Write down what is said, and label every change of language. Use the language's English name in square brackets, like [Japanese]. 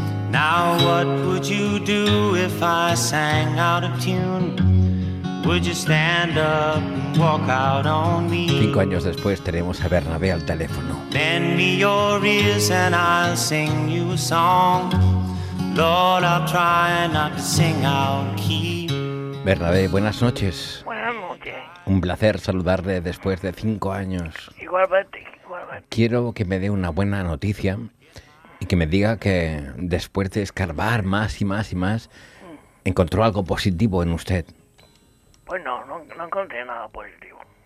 [English] Now what would you do if I sang out of tune? Would you stand up and walk out on me? [Spanish] 5 años después tenemos a Bernabé al teléfono. [English] Bend me your ears and I'll sing you a song. Lord, I'll try not to sing out key. [Spanish] Bernabé, buenas noches. Buenas noches. Un placer saludarle después de 5 años. Igualmente. Quiero que me dé una buena noticia y que me diga que después de escarbar más y más y más, encontró algo positivo en usted. Pues no encontré nada positivo.